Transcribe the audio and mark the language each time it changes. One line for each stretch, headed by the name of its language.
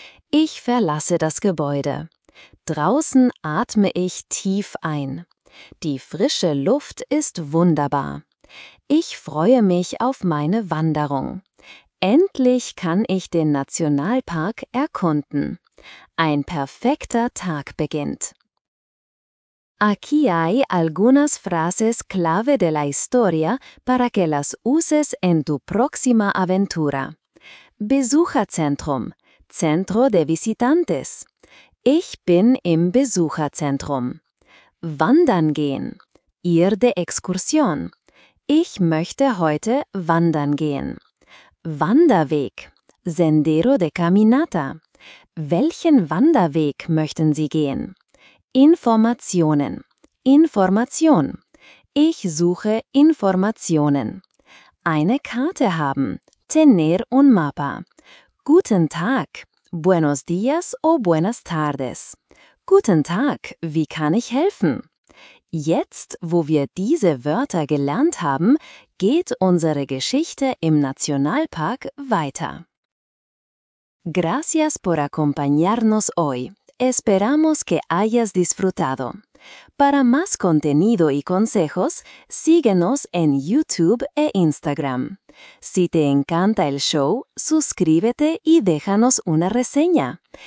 German: Ich verlasse das Gebäude. Draußen atme ich tief ein. Die frische Luft ist wunderbar. Ich freue mich auf meine Wanderung. Endlich kann ich den Nationalpark erkunden. Ein perfekter Tag beginnt.
Spanish: Aquí hay algunas frases clave de la historia para que las uses en tu próxima aventura. Besucherzentrum, Centro de Visitantes.
German: Ich bin im Besucherzentrum. Wandern gehen,
Spanish: Ir de Excursión.
German: Ich möchte heute wandern gehen. Wanderweg,
Spanish: Sendero de Caminata.
German: Welchen Wanderweg möchten Sie gehen? Informationen. Information. Ich suche Informationen. Eine Karte haben.
Spanish: Tener un mapa.
German: Guten Tag.
Spanish: Buenos días o buenas tardes.
German: Guten Tag. Wie kann ich helfen? Jetzt, wo wir diese Wörter gelernt haben, geht unsere Geschichte im Nationalpark weiter.
Spanish: Gracias por acompañarnos hoy. Esperamos que hayas disfrutado. Para más contenido y consejos, síguenos en YouTube e Instagram. Si te encanta el show, suscríbete y déjanos una reseña.